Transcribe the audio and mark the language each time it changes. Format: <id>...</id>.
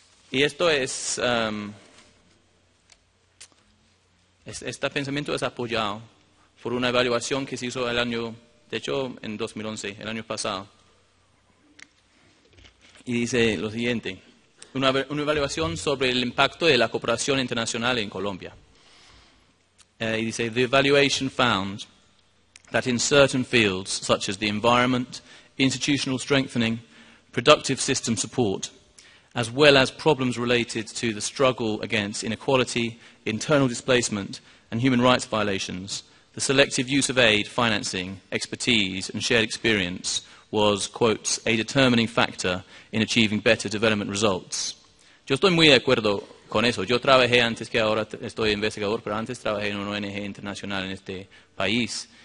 <es>Y esto es, este pensamiento es apoyado por una evaluación que se hizo el año, de hecho en 2011, el año pasado. Y dice lo siguiente, una evaluación sobre el impacto de la cooperación internacional en Colombia.</es> <en>He said the evaluation found that in certain fields such as the environment, institutional strengthening, productive system support, as well as problems related to the struggle against inequality, internal displacement and human rights violations, the selective use of aid, financing, expertise and shared experience was, quote, a determining factor in achieving better development results.</en> <es>Yo estoy muy de acuerdo con eso. Yo trabajé antes que ahora estoy investigador, pero antes trabajé en una ONG internacional en este país.</es>